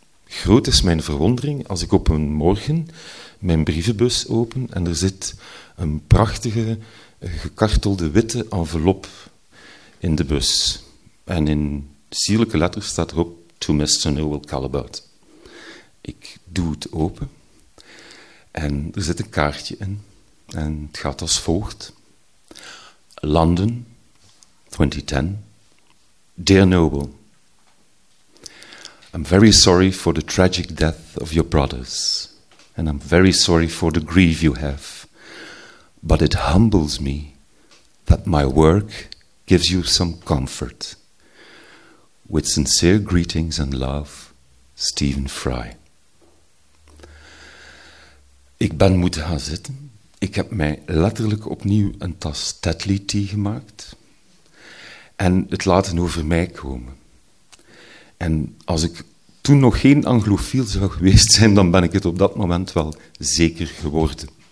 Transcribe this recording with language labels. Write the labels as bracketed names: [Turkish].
[Dutch] Groot is mijn verwondering als ik op een morgen mijn brievenbus open en er zit een prachtige, gekartelde witte envelop in de bus. En in sierlijke letters staat erop, [English] to Mr. Noel Callebaut. [Dutch] Ik doe het open en er zit een kaartje in en het gaat als volgt. [English] London, 2010. Dear Noel, I'm very sorry for the tragic death of your brothers, and I'm very sorry for the grief you have, but it humbles me that my work gives you some comfort. With sincere greetings and love, Stephen Fry. [Dutch] Ik ben moeten gaan zitten. Ik heb mij letterlijk opnieuw een tas Tetley tea gemaakt en het laten over mij komen. En als ik toen nog geen anglofiel zou geweest zijn, dan ben ik het op dat moment wel zeker geworden.